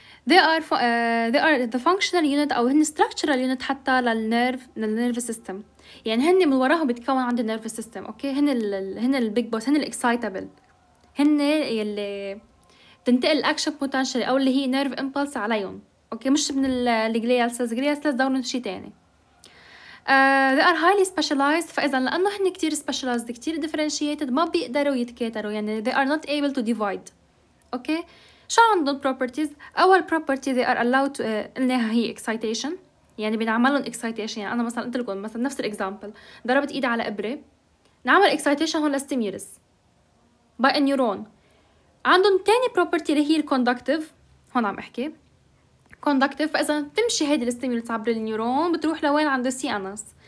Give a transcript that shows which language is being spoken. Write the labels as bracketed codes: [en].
[en] They are the functional unit [ar] او هن [en] structural unit [ar] حتى للنيرف سيستم، يعني هن من وراهم بيتكون عند النيرف سيستم. اوكي، هن البيج بوس، هن الاكسايتابل، هن يلي بتنتقل الاكشن بوتنشال او اللي هي نيرف امبلس عليهم. اوكي، مش من الجليال سيلز، جليال سيلز دورهم شيء ثاني. [en] They are highly specialized، [ar] فإذا لأنه هن كتير [en] specialized، كتير differentiated، [ar] ما بيقدروا يتكاتروا، يعني [en] they are not able to divide. [ar] أوكي، شو عندهم properties؟ أول [en] property they are allowed to [ar] إنها هي excitation، يعني بنعملهم excitation. يعني أنا مثلا قلت لكم مثلا نفس الإكزامبل، ضربت إيدي على إبرة، نعمل excitation هون لستيمولس [en] by a neuron. [ar] عندهم تاني property اللي هي conductive، هون عم أحكي كوندكتيف، فإذا تمشي هيدي الستيمولس عبر النيورون بتروح لوين؟ عند السي ان اس.